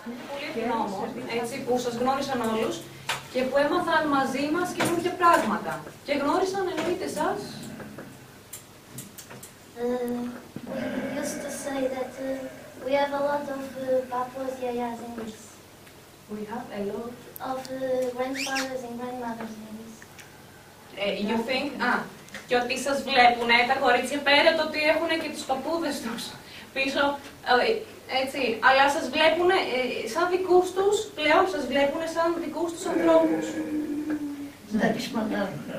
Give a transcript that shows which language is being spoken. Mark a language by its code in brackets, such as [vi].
[el] Πολύ ευγνώμων, έτσι που σας γνώρισαν όλους και που έμαθαν μαζί μας καινούργια πράγματα. Και γνώρισαν εννοείται εσάς. [en] We used to say that we have a lot of papas, yayas, and names. We have a lot of grandfathers and grandmothers' names. You think? [el] Και ότι σας βλέπουν τα κορίτσια πέρα το ότι έχουν και τους παππούδες τους πίσω. Έτσι, αλλά σας βλέπουν σαν δικούς τους, πλέον σας βλέπουν σαν δικούς τους ανθρώπους. Εντάξει, μαγάλο.